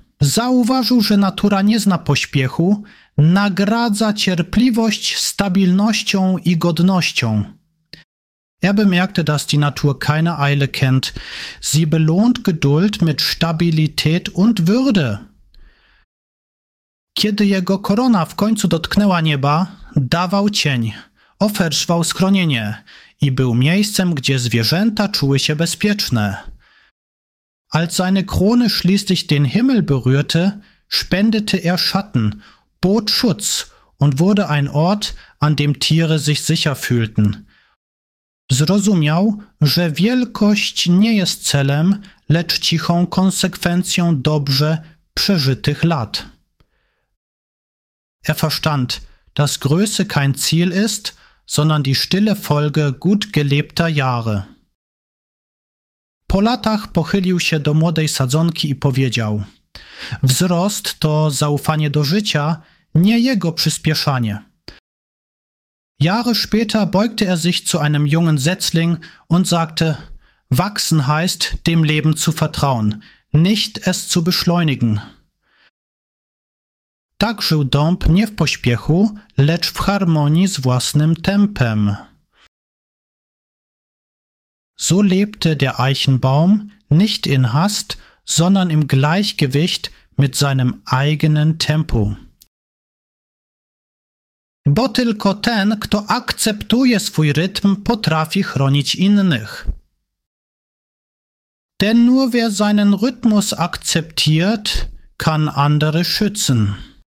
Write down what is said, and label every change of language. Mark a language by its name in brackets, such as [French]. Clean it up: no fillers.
[Polish] Zauważył, że natura nie zna pośpiechu, nagradza cierpliwość stabilnością i godnością. [German] Er bemerkte, dass die Natur keine Eile kennt. Sie belohnt Geduld mit Stabilität und Würde. [Polish] Kiedy jego korona w końcu dotknęła nieba, dawał cień, oferszwał schronienie i był miejscem, gdzie zwierzęta czuły się bezpieczne. [German] Als seine Krone schließlich den Himmel berührte, spendete er Schatten, bot Schutz und wurde ein Ort, an dem Tiere sich sicher fühlten. [Polish] Zrozumiał, że wielkość nie jest celem, lecz cichą konsekwencją dobrze przeżytych lat. [German] Er verstand, dass Größe kein Ziel ist, sondern die stille Folge gut gelebter Jahre. [Polish] Po latach pochylił się do młodej sadzonki i powiedział: wzrost to zaufanie do życia, nie jego przyspieszanie. [German] Jahre später beugte sich zu einem jungen Setzling und sagte: wachsen heißt, dem Leben zu vertrauen, nicht es zu beschleunigen. [Polish] Tak żył Dąb nie w pośpiechu, lecz w harmonii z własnym tempem. [German] So lebte der Eichenbaum nicht in Hast, sondern im Gleichgewicht mit seinem eigenen Tempo. [Polish] Bo tylko ten, kto akceptuje swój rytm, potrafi chronić innych. [German] Denn nur wer seinen Rhythmus akzeptiert, kann andere schützen.